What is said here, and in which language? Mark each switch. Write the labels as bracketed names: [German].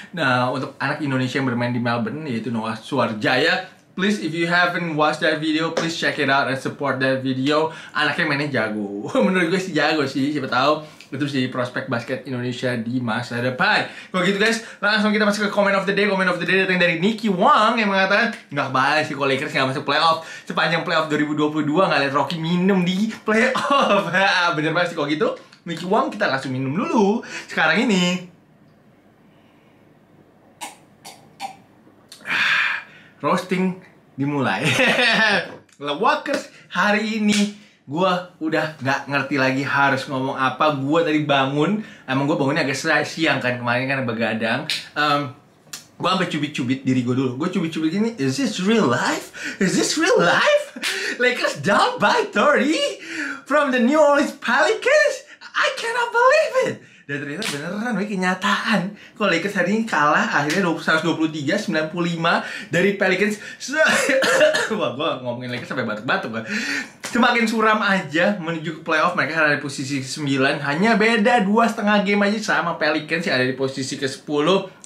[Indonesian] Nah, untuk anak Indonesia yang bermain di Melbourne, yaitu Noah Suarjaya. [English] Please, if you haven't watched that video, please check it out and support that video. [Indonesian] Anaknya mainnya jago. Menurut gue sih jago sih, siapa tahu itu sih prospek basket Indonesia di masa depan. Kalau gitu guys, langsung kita masuk ke comment of the day. Comment of the day datang dari Nicky Wong yang mengatakan, nggak baik sih kalau Lakers nggak masuk playoff. Sepanjang playoff 2022, nggak lihat Rocky minum di playoff. Bener banget sih kalau gitu. Nicky Wong, kita langsung minum dulu. Sekarang ini. Roasting dimulai. Lakers hari ini gue udah gak ngerti lagi harus ngomong apa. Gue tadi bangun, emang gue bangunnya agak siang kan kemarin kan begadang. Gue sampai cubit-cubit diri gue dulu. Gue cubit-cubit gini, [English] is this real life? Is this real life? Lakers down by 30 from the New Orleans Pelicans? I cannot believe it. [Indonesian] Dan ternyata beneran, wih, kenyataan. Kalau Lakers hari ini kalah, akhirnya 123-95 dari Pelicans. Wah, gue ngomongin Lakers sampai batuk-batuk gue. Semakin suram aja menuju ke playoff, mereka ada di posisi ke-9. Hanya beda 2,5 game aja sama Pelicans yang ada di posisi ke-10.